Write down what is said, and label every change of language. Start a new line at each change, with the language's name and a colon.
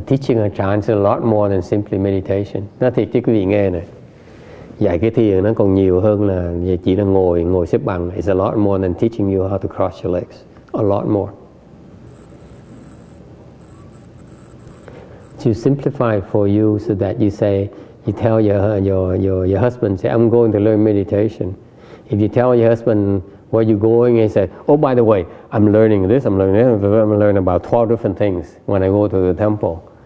English: Teaching a chant is a lot more than simply meditation.
Vietnamese: Nói thiệt chứ quý vị nghe này. Dạy cái thiền nó còn nhiều hơn là chỉ là ngồi xếp bằng.
English: It's a lot more than teaching you how to cross your legs. A lot more. To simplify for you so that you say, you tell your husband, say, I'm going to learn meditation. If you tell your husband, where are you going? He said, oh, by the way, I'm learning this, I'm learning this, I'm learning about 12 different things when I go to the temple.